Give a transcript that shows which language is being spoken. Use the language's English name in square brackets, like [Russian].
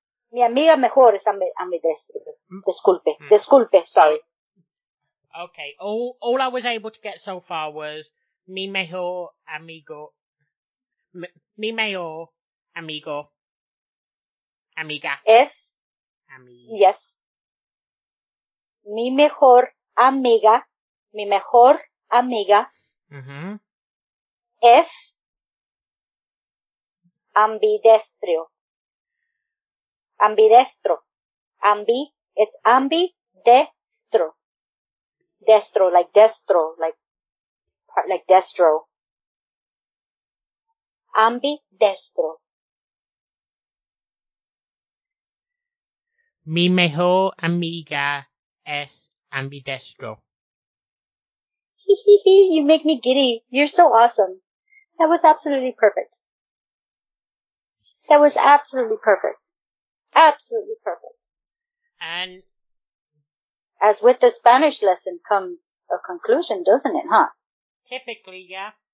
[Spanish] Mi amiga mejor es ambidestrio. Disculpe. Disculpe. Sorry. [English] Okay. All I was able to get so far was [Spanish] mi mejor amigo. Mi mejor amigo. Amiga. Es. Amiga. Yes. Mi mejor amiga. Mi mejor amiga. Mm-hmm. Es ambidestrio. Ambidestro. [English] It's ambidestro. Destro, like destro, like destro. [Spanish] Ambidestro. Mi mejor amiga es ambidestro. [English] You make me giddy. You're so awesome. That was absolutely perfect. That was absolutely perfect. Absolutely perfect. And as with the Spanish lesson comes a conclusion, doesn't it, huh? Typically, yeah.